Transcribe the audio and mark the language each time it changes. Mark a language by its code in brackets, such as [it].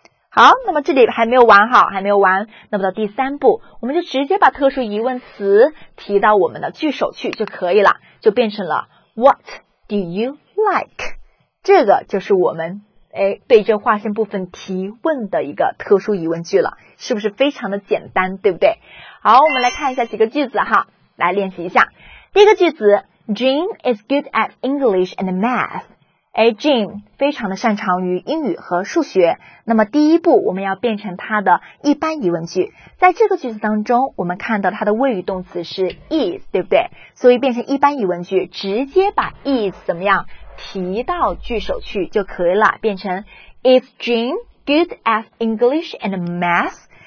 [zh] 好，那么这里还没有完，好，还没有完。那么到第三步，我们就直接把特殊疑问词提到我们的句首去就可以了，就变成了 [en] what do you like。 [zh] 这个就是我们被这划线部分提问的一个特殊疑问句了，是不是非常的简单，对不对？好，我们来看一下几个句子哈，来练习一下。第一个句子， [en] Jim is good at English and math。 [zh] 哎， Jim 非常的擅长于英语和数学。那么第一步我们要变成它的一般疑问句。在这个句子当中，我们看到它的谓语动词是 is， 对不对？所以变成一般疑问句，直接把 is 怎么样提到句首去就可以了，变成 [en] Is Jim good at English and math。